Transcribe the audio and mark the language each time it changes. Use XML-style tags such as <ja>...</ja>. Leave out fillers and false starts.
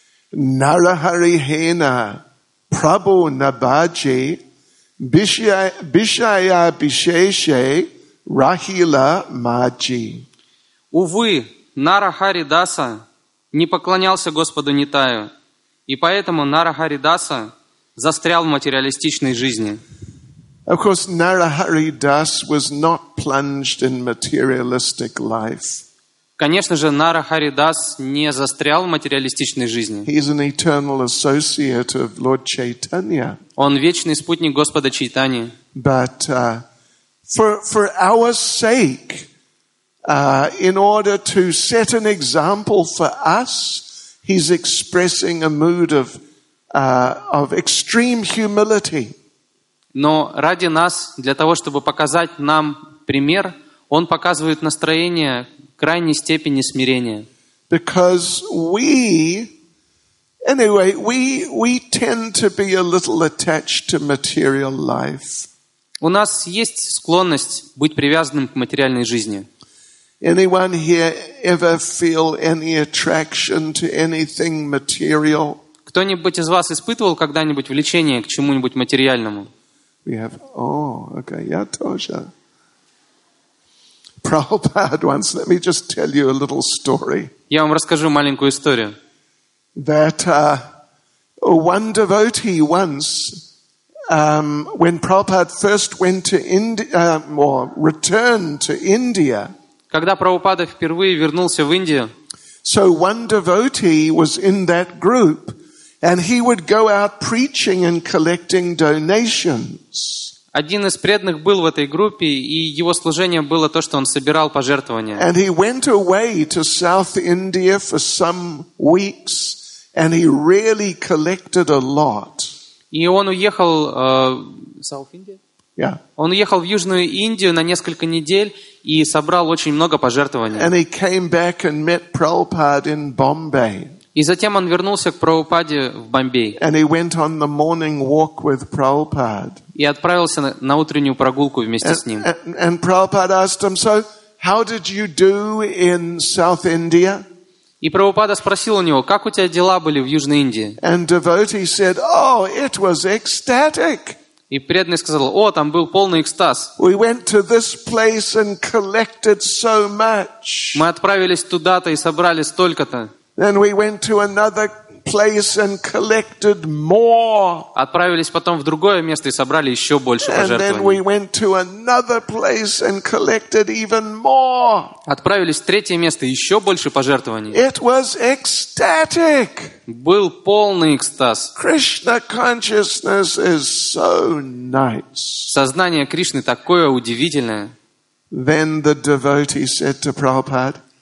<bn>Narahari-hena prabhu nabaji bishaya-bisheshe rahila-maji.</bn> <ru>Увы, Нарахари-даса не поклонялся Господу Нитаю, и поэтому Нарахари-даса застрял в материалистичной жизни.</ru> <en>Of course, Narahari Das was not plunged in materialistic life.</en> <ru>Конечно же, Нарахари Дас не застрял в материалистичной жизни.</ru> <en>He is an eternal associate of Lord Chaitanya.</en> <ru>Он вечный спутник Господа Чайтани.</ru> <en>But for our sake, in order to set an example for us, he's expressing a mood of extreme humility.</en> <ru>Но ради нас, для того, чтобы показать нам пример, он показывает настроение крайней степени смирения.</ru> <en>Because we tend to be a little attached to material life.</en> <ru>У нас есть склонность быть привязанным к материальной жизни.</ru> <en>Anyone here ever feel any attraction to anything material?</en> <ru>Кто-нибудь из вас испытывал когда-нибудь влечение к чему-нибудь материальному?</ru> <en>We have. Oh, okay.</en> <ru>Я тоже.</ru> <en>Prabhupada once. Let me just tell you a little story.</en> <ru>Я вам расскажу маленькую историю.</ru> <en>That one devotee once, when Prabhupada first went to India, or returned to India.</en> <ru>Когда Прабхупада впервые вернулся в Индию.</ru> <en>So one devotee was in that group. And he would go out preaching and collecting donations.</en> <ru>Один из преданных был в этой группе, и его служение было то, что он собирал пожертвования.</ru> <en>And he went away to South India for some weeks, and he really collected a lot.</en> <ru>И он уехал South India?</ru> <en>Yeah.</en> <ru>Он уехал в Южную Индию на несколько недель и собрал очень много пожертвований.</ru> <en>And he came back and met Prabhupada in Bombay.</en> <ru>И затем он вернулся к Прабхупаде в Бомбей.</ru> <en>And he went on the morning walk with Prabhupada.</en> <ru>И отправился на утреннюю прогулку вместе с ним.</ru> <en>And Prabhupada asked him, so how did you do in South India?</en> <ru>И Прабхупада спросил у него, как у тебя дела были в Южной Индии?</ru> <en>And devotee said, oh, it was ecstatic.</en> <ru>И преданный сказал, о, там был полный экстаз.</ru> <en>We went to this place and collected so much.</en> <ru>Мы отправились туда-то и собрали столько-то.</ru> <en>Then we went to another place and collected more.</en> <ru>Отправились потом в другое место и собрали еще больше пожертвований.</ru> <en>And then we went to another place and collected even more.</en> <ru>Отправились в третье место и еще больше пожертвований.</ru> <en>It was ecstatic.</en> <ru>Был полный экстаз.</ru> <en>Krishna consciousness is so nice.</en> <ru>Сознание Кришны такое удивительное.</ru> <en>Then the devotee said to Prabhupada.</en>